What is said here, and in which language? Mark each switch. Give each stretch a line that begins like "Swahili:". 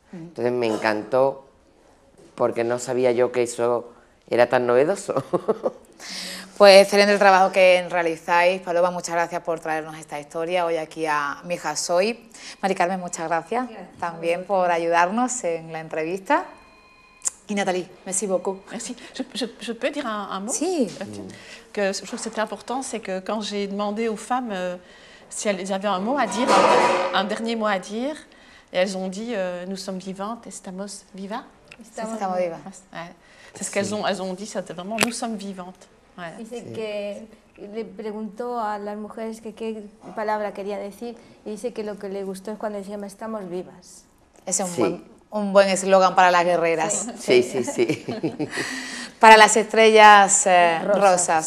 Spanish: Entonces me encantó porque no sabía yo que eso era tan novedoso. Pues excelente el trabajo que realizáis. Paloma, muchas gracias por traernos esta historia hoy aquí a Mi Hija Soy. Mari Carmen, muchas gracias, gracias también por ayudarnos en la entrevista.
French: Y Nathalie, merci beaucoup. Merci. Je peux dire un mot?
Spanish: Sí.
French: Que je trouve que c'était important, c'est que quand j'ai demandé aux femmes si elles avaient un mot à dire, un dernier mot à dire, et elles ont dit nous sommes vivantes,
Spanish: estamos viva. Estamos viva.
French: Ouais. C'est ce qu'elles ont, elles ont dit, c'était vraiment nous sommes vivantes. Voilà.
Spanish: Dice que le preguntó a las mujeres que qué palabra quería decir y dice que lo que le gustó es cuando decían estamos vivas. Es un buen eslogan para las guerreras. Sí, sí, sí. Sí. Para las estrellas rosas.